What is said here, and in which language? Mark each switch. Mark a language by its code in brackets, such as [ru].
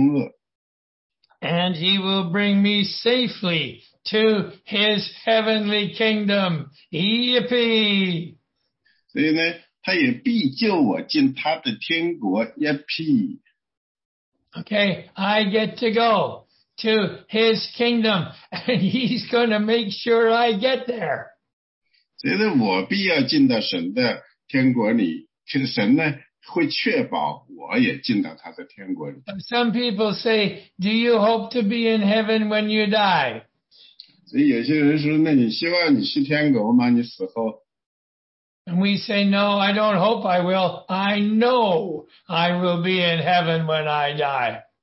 [zh] 所以呢，就是应许是在那主必救我脱离诸般的凶恶。 [en] And he will bring me safely to his heavenly kingdom. Yippee! [zh] 所以呢，他也必救我进他的天国. [en] Yippee! Okay, I get to go to his kingdom, and he's going to make sure I get there. [zh] 所以呢，我必要进到神的天国里，其实神呢会确保我也进到他的天国里。 [en] But some people say, do you hope to be in heaven when you die? [zh] 所以有些人说，那你希望你去天国吗？你死后？ [en] And we say, no, I don't hope I will. I know I will be in heaven when I die.